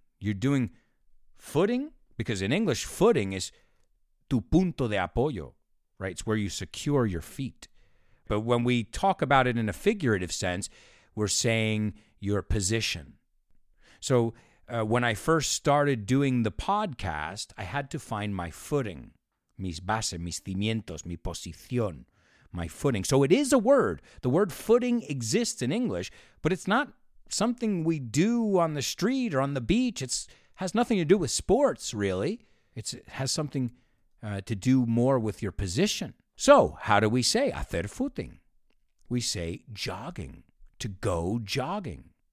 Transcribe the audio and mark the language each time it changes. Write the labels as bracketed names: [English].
[English] You're doing footing? Because in English, footing is [Spanish] tu punto de apoyo, [English] right? It's where you secure your feet. But when we talk about it in a figurative sense, we're saying your position. So when I first started doing the podcast, I had to find my footing. [Spanish] Mis bases, mis cimientos, mi posición, [English] my footing. So it is a word. The word footing exists in English, but it's not something we do on the street or on the beach. It has nothing to do with sports, really. It has something to do more with your position. So how do we say [Spanish] hacer [English] footing? We say jogging, to go jogging.